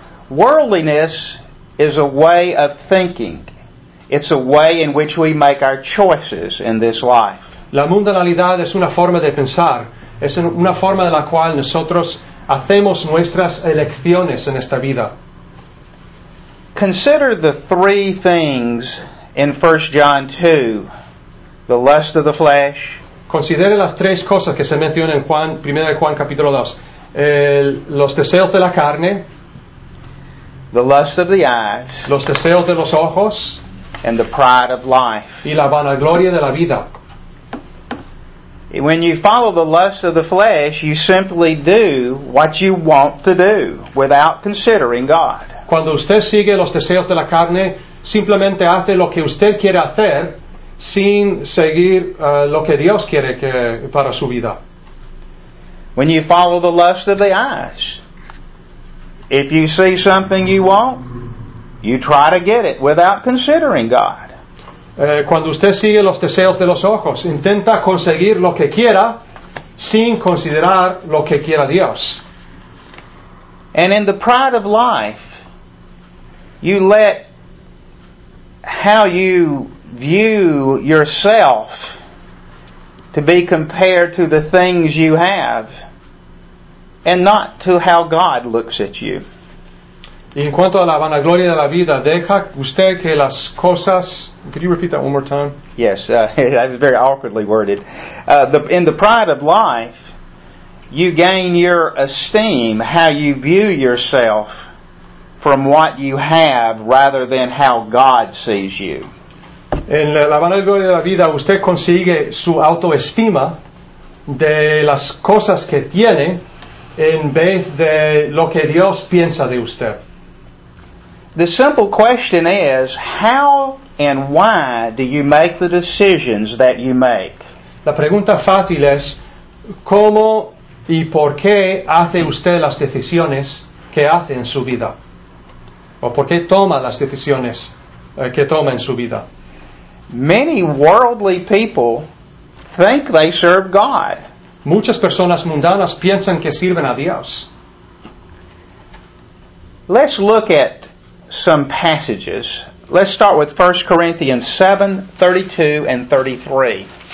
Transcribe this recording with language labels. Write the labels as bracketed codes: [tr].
[en] Worldliness is a way of thinking. It's a way in which we make our choices in this life. [es] La mundanalidad es una forma de pensar. Es una forma en la cual nosotros hacemos nuestras elecciones en esta vida. [en] Consider the three things in 1 John 2. The lust of the flesh. [es] Considere las tres cosas que se mencionan en Juan, 1 Juan capítulo 2. Los deseos de la carne. [en] The lust of the eyes. [es] Los deseos de los ojos. [en] And the pride of life. [es] Y la vanagloria de la vida. [en] When you follow the lust of the flesh, you simply do what you want to do without considering God. [es] Cuando usted sigue los deseos de la carne, simplemente hace lo que usted quiere hacer sin seguir lo que Dios quiere que, para su vida. [en] When you follow the lust of the eyes, if you see something you want, you try to get it without considering God. [es] Cuando usted sigue los deseos de los ojos, intenta conseguir lo que quiera sin considerar lo que quiera Dios. [en] And in the pride of life, you let how you view yourself to be compared to the things you have and not to how God looks at you. [es] Y en cuanto a la vanagloria de la vida, deja usted que las cosas... [en] Could you repeat that one more time? Yes, that was very awkwardly worded. In the pride of life, you gain your esteem, how you view yourself from what you have rather than how God sees you. [es] En la vanagloria de la vida, usted consigue su autoestima de las cosas que tiene en vez de lo que Dios piensa de usted. [en] The simple question is, how and why do you make the decisions that you make? [es] La pregunta fácil es, ¿cómo y por qué hace usted las decisiones que hace en su vida? ¿O por qué toma las decisiones que toma en su vida? [en] Many worldly people think they serve God. [es] Muchas personas mundanas piensan que sirven a Dios. [en] Let's look at some passages. Let's start with 1 Corinthians 7:32-33.